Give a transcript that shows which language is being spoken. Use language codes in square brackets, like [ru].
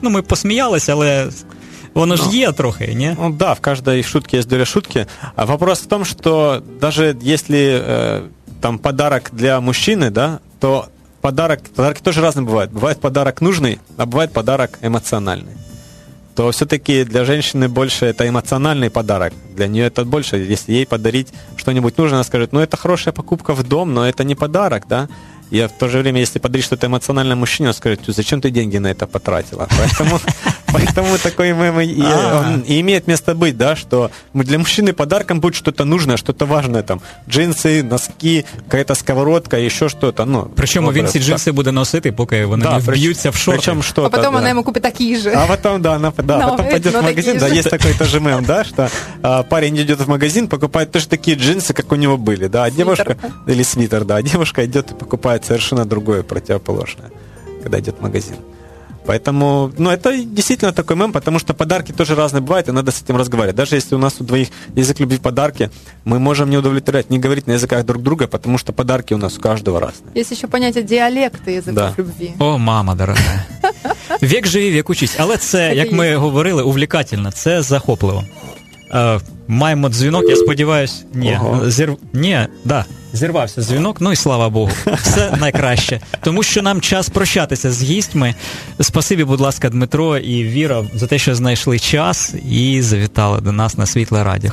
[uk] Ну, ми посміялися, але воно ж є трохи, ні? [ru] Ну, да, в кожній шутці є доля шутки. [uk] А вопрос в тому, що навіть якщо там подарок для мужчини, да, то подарки теж різні бувають. Буває подарок нужний, а буває подарок емоціональний. [ru] То все-таки для женщины больше это эмоциональный подарок. Для нее это больше. Если ей подарить что-нибудь нужно, она скажет, ну, это хорошая покупка в дом, но это не подарок, да? И в то же время, если подарить что-то эмоциональное мужчине, он скажет, зачем ты деньги на это потратила? Поэтому Поэтому такой мем и имеет место быть, да, что для мужчины подарком будет что-то нужное, что-то важное, там, джинсы, носки, какая-то сковородка, еще что-то, ну. Причем он все джинсы будет носить, пока его не вбьются в шорты. Причем что-то, а потом она ему купит такие же. А потом, да, она, да, потом пойдет в магазин, да, есть такой тоже мем, да, что парень идет в магазин, покупает тоже такие джинсы, как у него были, да, а девушка, свитер. Или свитер, да, а девушка идет и покупает совершенно другое, противоположное, когда идет в магазин. Поэтому, ну, это действительно такой мем, потому что подарки тоже разные бывают, и надо с этим разговаривать. Даже если у нас у двоих язык любви подарки, мы можем не удовлетворять, не говорить на языках друг друга, потому что подарки у нас у каждого разные. Есть еще понятие диалекта языков, да, любви. О, мама дорогая. Век живи, век учись. [uk] Але це, як ми говорили, [ru] увлекательно, [uk] це захопливо. Маємо дзвінок, я сподіваюсь. Ні, да. Зірвався дзвінок, ну і слава Богу, все найкраще. Тому що нам час прощатися з гістьми. Спасибі, будь ласка, Дмитро і Віра за те, що знайшли час і завітали до нас на Світле Радіо.